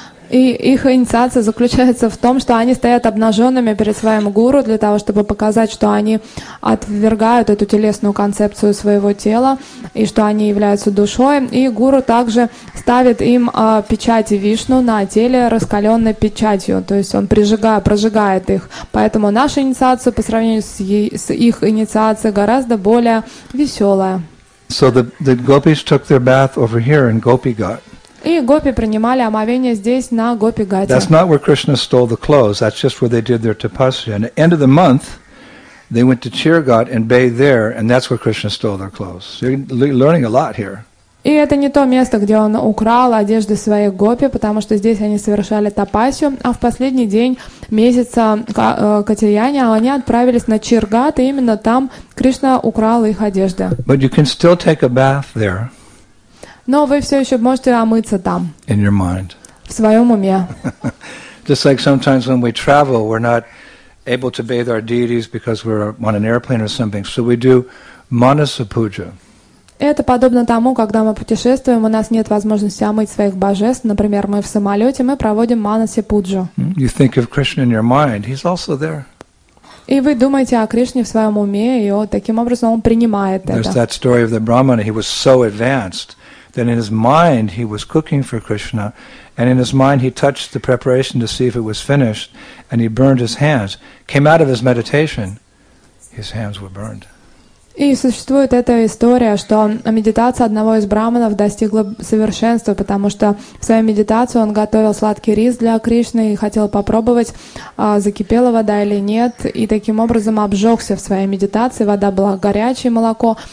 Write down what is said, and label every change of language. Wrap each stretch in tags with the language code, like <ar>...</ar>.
<ru>И их инициация заключается в том, что они стоят обнаженными перед своим гуру для того, чтобы показать, что они отвергают эту телесную концепцию своего тела и что они являются душой. И гуру также ставит им печати Вишну на теле, раскаленной печатью. То есть он прожигает их. Поэтому наша инициация по сравнению с их инициацией гораздо более веселая.</ru> <en>So the gopis took their bath over here in Gopi Ghat.</en> <ru>И гопи принимали омовение здесь на Гопи Гате.</ru> <en>That's not where Krishna stole the clothes. That's just where they did their tapasya. And at the end of the month, they went to Chir Ghat and bathed there, and that's where Krishna stole their clothes. So you're learning a lot here.</en> <ru>И это не то место, где он украл одежды своих гопи, потому что здесь они совершали тапасию, а в последний день месяца Катьяяни они отправились на Чиргат, и именно там Кришна украл их одежды.</ru> <en>But you can still take a bath there.</en> <ru>Но вы все еще можете омыться там.</ru> <en>In your mind.</en> <ru>В своем уме.</ru> <en>Just like sometimes when we travel, we're not able to bathe our deities because we're on an airplane or something. So we do Manasapuja.</en> <ru>Это подобно тому, когда мы путешествуем, у нас нет возможности омыть своих божеств. Например, мы в самолете, мы проводим Манасапуджу.</ru> <en>You think of Krishna in your mind. He's also there.</en> <ru>И вы думаете о Кришне в своем уме, и вот таким образом он принимает это.</ru> <en>There's that story of the Brahmana. He was so advanced that in his mind he was cooking for Krishna, and in his mind he touched the preparation to see if it was finished, and he burned his hands. Came out of his meditation, his hands were burned.</en> <ru>И существует эта история, что медитация одного из брахманов достигла совершенства, потому что в своей медитации он готовил сладкий рис для Кришны и хотел попробовать, закипела вода или нет, и таким образом обжегся в своей медитации, вода была горячей, молоко.</ru>